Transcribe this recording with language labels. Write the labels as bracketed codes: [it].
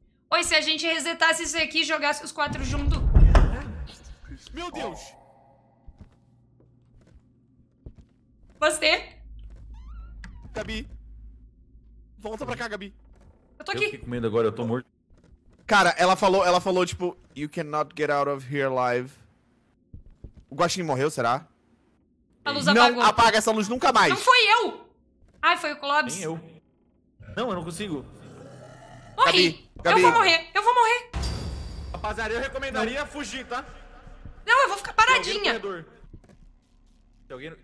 [pt] Oi, se a gente resetasse isso aqui e jogasse os quatro juntos. Meu Deus! Você? Gabi. Volta pra cá, Gabi. Eu tô aqui. Eu fiquei com medo agora, eu tô morto. Cara, ela falou tipo, [en] you cannot get out of here alive. [pt] O Guaxinim morreu, será? A luz não apagou. Não, apaga essa luz nunca mais. Não foi eu! Ai, foi o Clóvis. Nem eu. Não, eu não consigo. Morri. Gabi. Eu vou morrer. Rapaziada, eu recomendaria fugir, tá? Não, eu vou ficar paradinha. Tem alguém no corredor.